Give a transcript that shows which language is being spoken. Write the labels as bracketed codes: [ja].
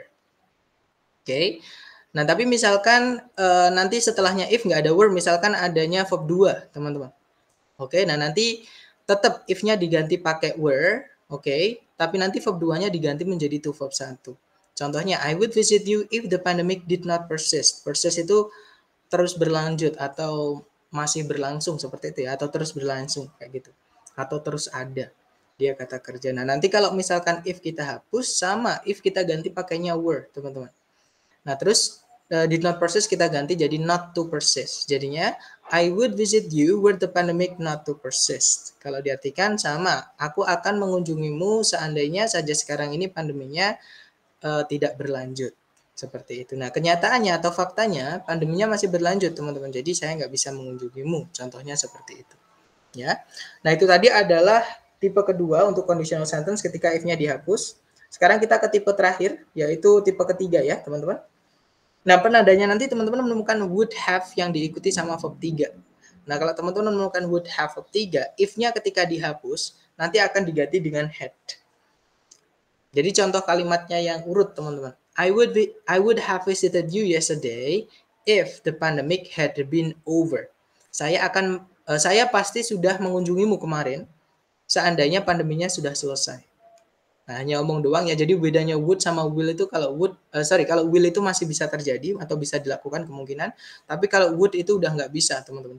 [id] Oke. Okay. Nah, tapi misalkan nanti setelahnya if nggak ada were, misalkan adanya verb 2, teman-teman. Oke, okay, nah nanti tetap if-nya diganti pakai were. Oke, okay, tapi nanti verb 2-nya diganti menjadi to verb 1. [en] Contohnya, I would visit you if the pandemic did not persist. [id] Persist itu terus berlanjut atau masih berlangsung seperti itu ya, atau terus berlangsung kayak gitu. Atau terus ada, dia kata kerja. Nah, nanti kalau misalkan if kita hapus, sama if kita ganti pakainya were, teman-teman. Nah, terus [en] did not persist [id] kita ganti jadi [en] not to persist. Jadinya, I would visit you were the pandemic not to persist. [id] Kalau diartikan sama, aku akan mengunjungimu seandainya saja sekarang ini pandeminya tidak berlanjut. Seperti itu. Nah, kenyataannya atau faktanya, pandeminya masih berlanjut, teman-teman. Jadi, saya nggak bisa mengunjungimu. Contohnya seperti itu. Ya. Nah, itu tadi adalah tipe kedua untuk conditional sentence ketika if-nya dihapus. Sekarang kita ke tipe terakhir, yaitu tipe ketiga ya, teman-teman. Nah, penandanya nanti teman-teman menemukan would have yang diikuti sama verb 3. Nah, kalau teman-teman menemukan would have verb 3, if-nya ketika dihapus, nanti akan diganti dengan had. Jadi, contoh kalimatnya yang urut, teman-teman. [en] I would have visited you yesterday if the pandemic had been over. [id] Saya pasti sudah mengunjungimu kemarin seandainya pandeminya sudah selesai. Nah, hanya omong doang ya. Jadi bedanya would sama will itu kalau will itu masih bisa terjadi atau bisa dilakukan kemungkinan, tapi kalau would itu udah nggak bisa, teman-teman.